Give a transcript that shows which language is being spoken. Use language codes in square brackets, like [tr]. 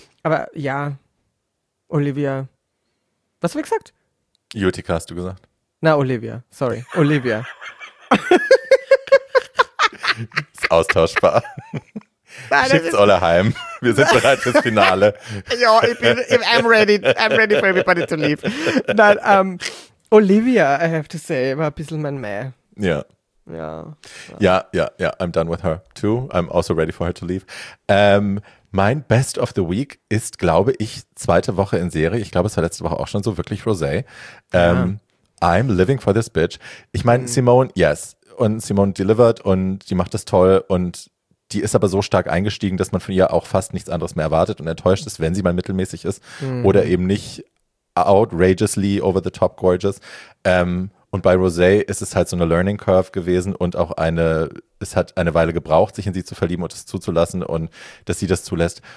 [de] Aber ja, Olivia. Was habe ich gesagt? Utica hast du gesagt. Na, Olivia. Sorry. Olivia. Ist austauschbar. Schickt's alle heim. Wir sind bereit fürs Finale. [en] Ja, I'm ready for everybody to leave. [de] Nein, Olivia, [en] I have to say, [de] war ein bisschen mein Mäh. Ja. Ja. [en] Ja, ja, ja. I'm done with her too. I'm also ready for her to leave. [de] Mein Best of the Week ist, glaube ich, zweite Woche in Serie. Ich glaube, es war letzte Woche auch schon so, wirklich Rosé. [en] I'm living for this bitch. [de] Ich meine, Simone, yes. Und Simone delivered und die macht das toll. Und die ist aber so stark eingestiegen, dass man von ihr auch fast nichts anderes mehr erwartet und enttäuscht ist, wenn sie mal mittelmäßig ist oder eben nicht [en] outrageously over the top gorgeous. [de] Und bei Rosé ist es halt so eine Learning Curve gewesen und auch es hat eine Weile gebraucht, sich in sie zu verlieben und es zuzulassen und dass sie das zulässt.